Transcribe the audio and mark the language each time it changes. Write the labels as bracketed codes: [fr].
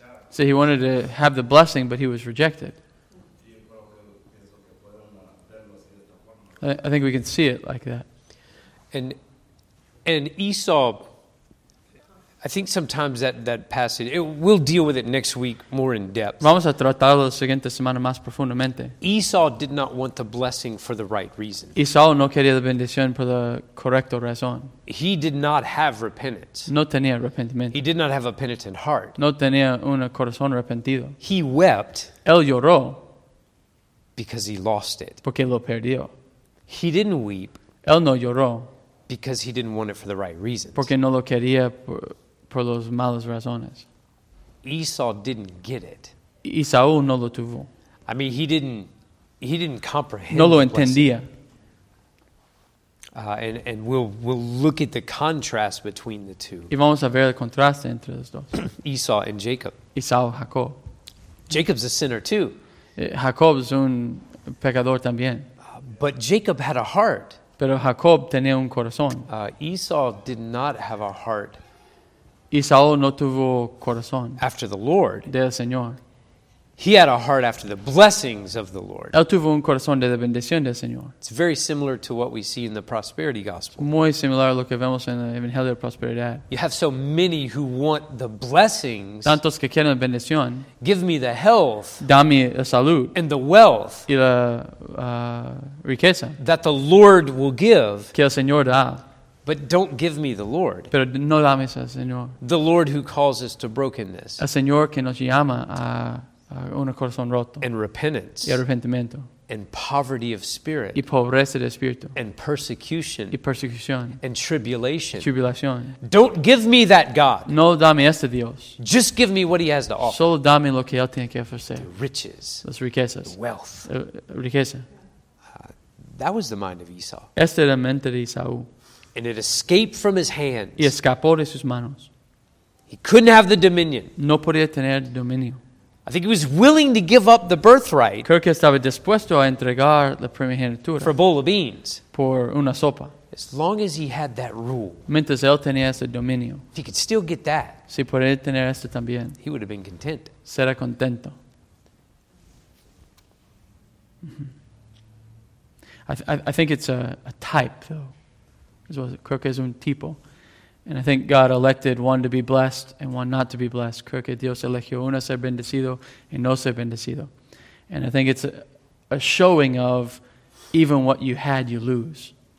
[en] So he wanted to have the blessing, but he was rejected. I think we can see it like that. And Esau, I think sometimes that passage, we'll deal with it next week more in depth. [es] Vamos a tratarlo la siguiente semana más profundamente. [en] Esau did not want the blessing for the right reason. [es] Esau no quería la bendición por la correcta razón. [en] He did not have repentance. [es] No tenía arrepentimiento. [en] He did not have a penitent heart. [es] No tenía un corazón arrepentido. [en] He wept. [es] Él lloró. [en] Because he lost it. [es] Porque lo perdió. [en] He didn't weep. [es] Él no lloró. [en] Because he didn't want it for the right reasons. [es] Porque no lo quería por los malas razones. [en] Esau didn't get it. [es] Esau no lo tuvo. [en] I mean, he didn't comprehend. [es] No lo entendía. [en] And we'll look at the contrast between the two. [es] Y vamos a ver el contraste entre los dos. [en] Esau and Jacob. [es] Esau, Jacob. [en] Jacob's a sinner too. [es] Jacob es un pecador también. [en] But Jacob had a heart. [es] Pero Jacob tenía un corazón. [en] Esau did not have a heart. [es] Esau no tuvo corazón. [en] After the Lord. [es] Del Señor. [en] He had a heart after the blessings of the Lord. [es] Él tuvo un corazón de la bendición del Señor. [en] It's very similar to what we see in the prosperity gospel. [es] Muy similar a lo que vemos en el Evangelio de la Prosperidad. [en] You have so many who want the blessings. [es] Tantos que quieren la bendición. [en] Give me the health. [es] Dame la salud. [en] And the wealth. [es] Y la riqueza. [en] That the Lord will give. [es] Que el Señor da. [en] But don't give me the Lord. [es] Pero no dames al Señor. [en] The Lord who calls us to brokenness. [es] El Señor que nos llama a... un corazón roto. [en] And repentance. [es] Y arrepentimiento. [en] And poverty of spirit. [es] Y pobreza de espíritu. [en] And persecution. [es] Y persecución. [en] And tribulation. [es] Tribulación. [en] Don't give me that God. [es] No dame este Dios. [en] Just give me what he has to offer. [es] Solo dame lo que él tiene que ofrecer. [en] The riches. [es] Las riquezas. [en] The wealth. [es] Riqueza. [en] That was the mind of Esau. [es] Esta era la mente de Esaú. [en] And it escaped from his hands. [es] Y escapó de sus manos. [en] He couldn't have the dominion. [es] No podía tener dominio. [en] I think he was willing to give up the birthright. [es] Creo que estaba dispuesto a entregar la primogenitura. [en] For a bowl of beans. [es] Por una sopa. [en] As long as he had that rule. [es] Mientras él tenía ese dominio. [en] If he could still get that. [es] Si podía tener esto también. [en] He would have been content. [es] Será contento. [en] I think it's a type, though. [es] Creo que es un tipo. [en] And I think God elected one to be blessed and one not to be blessed. [es] Creo que Dios eligió uno ser bendecido y no ser bendecido. [en] And I think it's a showing of even what you had, you lose.